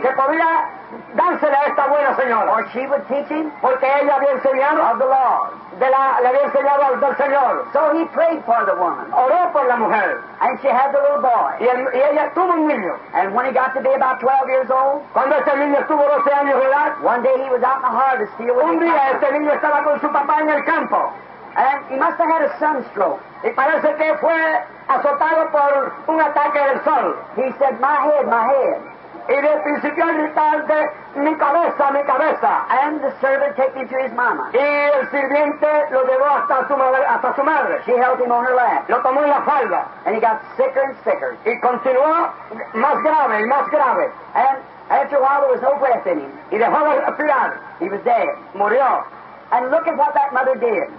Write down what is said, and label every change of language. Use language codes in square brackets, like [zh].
[es] Que podría dársela a esta buena señora. [en] Or she would teach him [es] porque ella había enseñado [en] of the law. [es] Le había enseñado al del Señor. [en] So he prayed for the woman. [es] Oró por la mujer. [en] And she had the little boy. [es] Y ella tuvo un niño. [en] And when he got to be about 12 years old. [es] Cuando este niño estuvo 12 años de edad. [en] One day he was out in the harvest field. [es] Un día este niño estaba con su papá en el campo. [en] And he must have had a sunstroke. [es] Y parece que fue azotado por un ataque del sol. [en] He said, my head, my head. [es] Y de principio gritar de mi cabeza, mi cabeza. [en] And the servant took him to his mama. [es] Y el sirviente lo llevó hasta su madre. [en] She held him on her lap. [es] Lo tomó en la falda. [en] And he got sicker and sicker. [es] Y continuó más grave y más grave. [en] And after a while there was no breath in him. [es] Y dejó de respirar. [en] He was dead. [es] Murió. [en] And look at what that mother did.